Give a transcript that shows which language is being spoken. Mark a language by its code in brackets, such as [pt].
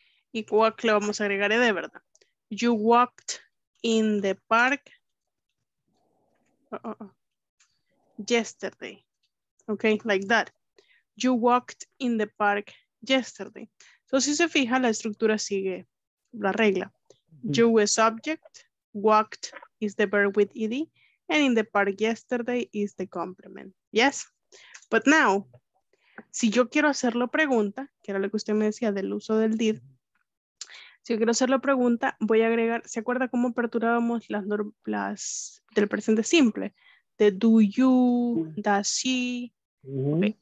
[es] Y walk le vamos a agregar ed, ¿verdad? [en] You walked in the park yesterday. Okay, like that. You walked in the park yesterday. [es] So si se fija, la estructura sigue la regla. [en] You is subject, walked is the verb with ed, and in the park yesterday is the complement. Yes? But now, [es] si yo quiero hacerlo pregunta, que era lo que usted me decía del uso del did, si yo quiero hacerlo pregunta, voy a agregar, ¿se acuerda cómo aperturábamos las del presente simple? [en] The do you, does she. Okay.